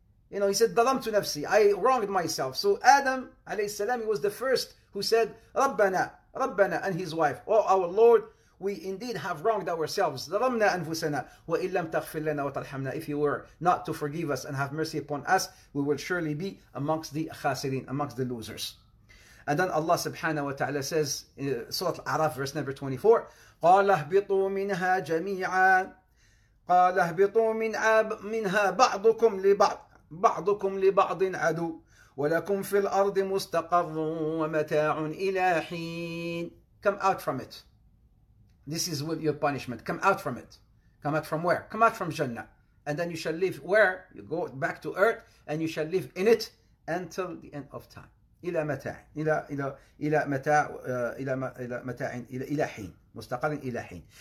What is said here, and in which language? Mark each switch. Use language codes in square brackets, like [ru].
[en] You know, he said, Dalamtu nafsi, I wronged myself. So Adam alayhi salam, he was the first who said, Rabbana, Rabbana, and his wife, oh our Lord, we indeed have wronged ourselves. [ar] ظَلَمْنَا أَنفُسَنَا وَإِن لَمْ تَغْفِرْ لَنَا وَتَرْحَمْنَا. [en] If you were not to forgive us and have mercy upon us, we will surely be amongst the khasirin, amongst the losers. And then Allah subhanahu wa ta'ala says in Surah Al-A'raf, verse number 24, [ar] قَالَ اهْبِطُوا مِنْهَا جَمِيعًا قَالَ اهْبِطُوا مِنْهَا بَعْضُكُمْ لِبَعْضٍ بَعْضُكُمْ لِبَعْضٍ عَدُوٌّ وَلَكُمْ فِي الْأَرْضِ مُسْتَقَرٌّ وَمَتَاعٌ إِلَى حِينٍ. [en] Come out from it. This is what your punishment. Come out from it. Come out from where? Come out from Jannah. And then you shall live where? You go back to earth and you shall live in it until the end of time. [ar] إِلَى مَتَاعٍ إِلَى مَتَاعٍ إِلَى مَتَاعٍ إِلَى حِينٍ مُسْتَقَرٍ إِلَى حِينٍ.